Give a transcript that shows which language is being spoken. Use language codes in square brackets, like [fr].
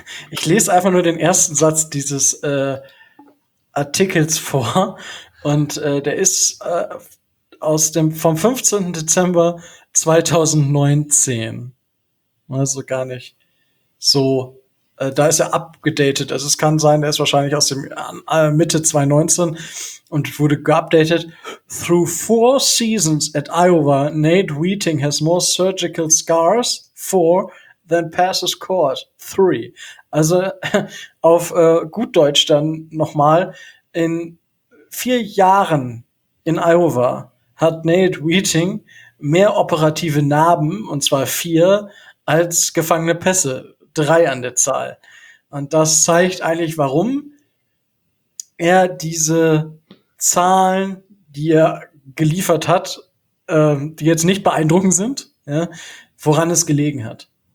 [de] Ich lese einfach nur den ersten Satz dieses Artikels vor und der ist vom 15. Dezember 2019. Also gar nicht so. Da ist er abgedatet. Also es kann sein, er ist wahrscheinlich aus dem Mitte 2019 und wurde geupdatet. [en] Through 4 seasons at Iowa, Nate Wheating has more surgical scars, 4, than passes caught, 3. [de] Also auf gut Deutsch dann nochmal. In 4 Jahren in Iowa hat Nate Wheating mehr operative Narben, und zwar 4, als gefangene Pässe. 3 an der Zahl. Und das zeigt eigentlich, warum er diese Zahlen, die er geliefert hat, die jetzt nicht beeindruckend sind, ja, woran es gelegen hat.